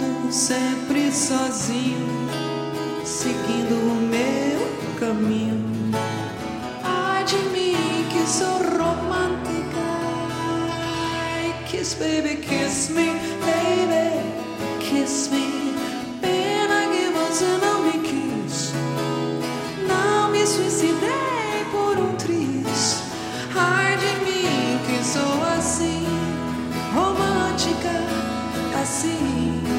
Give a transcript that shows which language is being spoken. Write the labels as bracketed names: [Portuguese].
[Portuguese] Sempre sozinho, seguindo o meu caminho. Ai de mim, que sou romântica. [English] Kiss, baby, kiss me, baby, kiss me. [Portuguese] Pena que você não me quis. Não me suicidei por um triz. Ai de mim, que sou assim, romântica, assim.